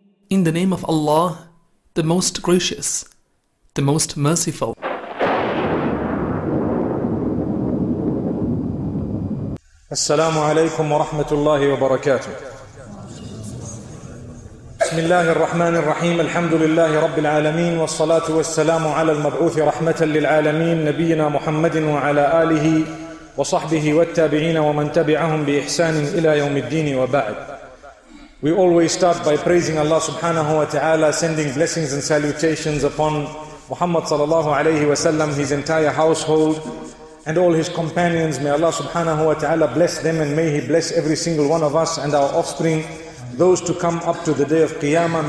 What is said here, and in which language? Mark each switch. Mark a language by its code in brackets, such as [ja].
[en] In the name of Allah, the most gracious, the most merciful. [ar] السلام عليكم ورحمة الله وبركاته. بسم الله الرحمن الرحيم. الحمد لله رب العالمين، والصلاة والسلام على المبعوث رحمة للعالمين نبينا محمد وعلى آله وصحبه والتابعين ومن تبعهم بإحسان إلى يوم الدين وبعد. [en] We always start by praising Allah subhanahu wa ta'ala, sending blessings and salutations upon Muhammad sallallahu alayhi wa sallam, his entire household and all his companions. May Allah subhanahu wa ta'ala bless them, and may he bless every single one of us and our offspring, those to come up to the day of Qiyamah.